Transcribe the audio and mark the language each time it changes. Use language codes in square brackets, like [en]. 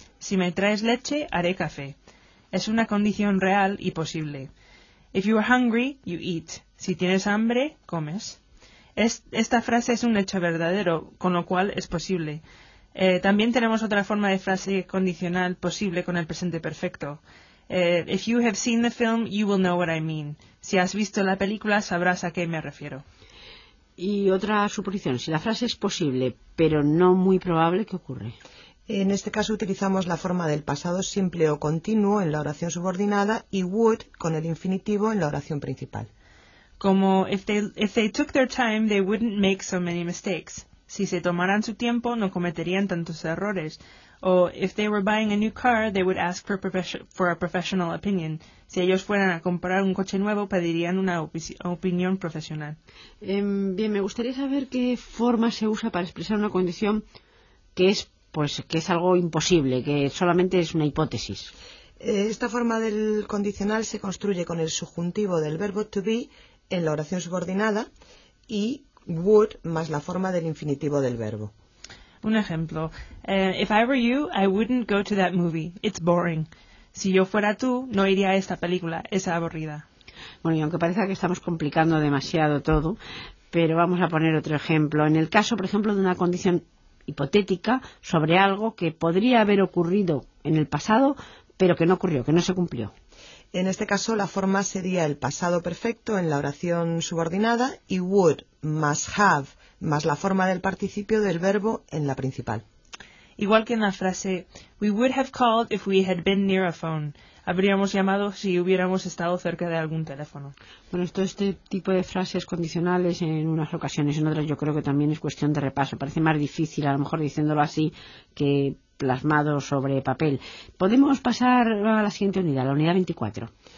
[es] Si me traes leche, haré café. Es una condición real y posible. [en] If you are hungry, you eat. [es] Si tienes hambre, comes. Esta frase es un hecho verdadero, con lo cual es posible. También tenemos otra forma de frase condicional posible con el presente perfecto. [en] If you have seen the film, you will know what I mean. [es] Si has visto la película, sabrás a qué me refiero. Y otra suposición. Si la frase es posible, pero no muy probable, ¿qué ocurre? En este caso utilizamos la forma del pasado simple o continuo en la oración subordinada y would con el infinitivo en la oración principal. [en] Como if they took their time, they wouldn't make so many mistakes. [es] Si se tomaran su tiempo, no cometerían tantos errores. [en] O if they were buying a new car, they would ask for a professional opinion. [es] Si ellos fueran a comprar un coche nuevo, pedirían una opinión profesional. Bien, me gustaría saber qué forma se usa para expresar una condición que es, pues, que es algo imposible, que solamente es una hipótesis. Esta forma del condicional se construye con el subjuntivo del verbo to be en la oración subordinada y would más la forma del infinitivo del verbo. Un ejemplo. [en] If I were you, I wouldn't go to that movie. It's boring. [es] Si yo fuera tú, no iría a esta película. Es aburrida. Bueno, y aunque parezca que estamos complicando demasiado todo, pero vamos a poner otro ejemplo. En el caso, por ejemplo, de una condición hipotética sobre algo que podría haber ocurrido en el pasado, pero que no ocurrió, que no se cumplió. En este caso, la forma sería el pasado perfecto en la oración subordinada y would más have más la forma del participio del verbo en la principal. Igual que en la frase, [en] we would have called if we had been near a phone. [es] Habríamos llamado si hubiéramos estado cerca de algún teléfono. Bueno, todo este tipo de frases condicionales en unas ocasiones y en otras yo creo que también es cuestión de repaso. Parece más difícil, a lo mejor diciéndolo así, que plasmado sobre papel. ¿Podemos pasar a la siguiente unidad, la unidad 24?